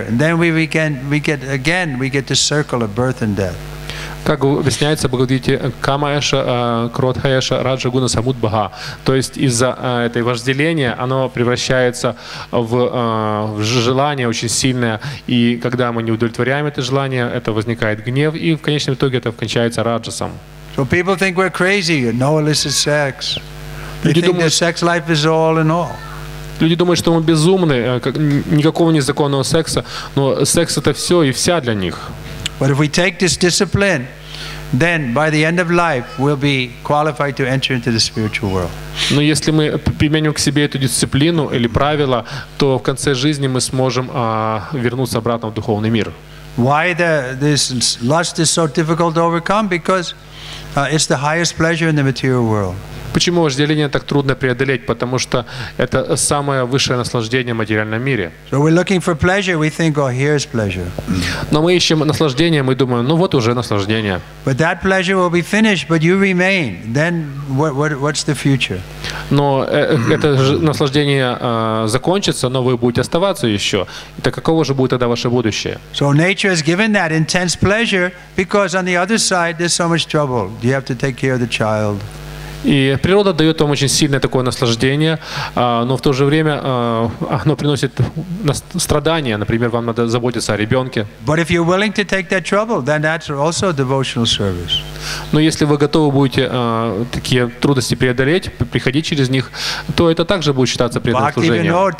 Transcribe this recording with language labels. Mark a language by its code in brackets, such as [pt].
[en] And then we get the circle of birth and death. [ru] Как объясняется, благодарите, [sa] Камаэша, Кротхаэша, Раджагуна, Самудбага. [ru] То есть из-за этого вожделения оно превращается в желание очень сильное. И когда мы не удовлетворяем это желание, это возникает гнев. И в конечном итоге это кончается раджасом. [en] So people think we're crazy, no illicit sex. They think their sex life is all in all. [ru] Люди думают, что мы безумны, никакого незаконного секса, но секс это все и вся для них. [en] But if we take this discipline, then by the end of life we'll be qualified to enter into the spiritual world. [ru] Но если мы применим к себе эту дисциплину или правила, то в конце жизни мы сможем вернуться обратно в духовный мир. [en] Why this lust is so difficult to overcome? Because it's the highest pleasure in the material world. [ru] Почему вожделение так трудно преодолеть? Потому что это самое высшее наслаждение в материальном мире. [en] So we're looking for pleasure, we think, oh, here's pleasure. [ru] Но мы ищем наслаждение, мы думаем, ну вот уже наслаждение. [en] But that pleasure will be finished, but you remain. Then what's the future? [ru] Но это наслаждение закончится, но вы будете оставаться еще. Так каково же будет тогда ваше будущее? [en] So nature has given that intense pleasure because on the other side there's so much trouble. You have to take care of the child. [ru] И природа дает вам очень сильное такое наслаждение, но в то же время оно приносит страдания. Например, вам надо заботиться о ребенке. [en] But if you're willing to take that trouble, then that's also a devotional service. [ru] Но если вы готовы будете такие трудности преодолеть, приходить через них, то это также будет считаться преданным служением.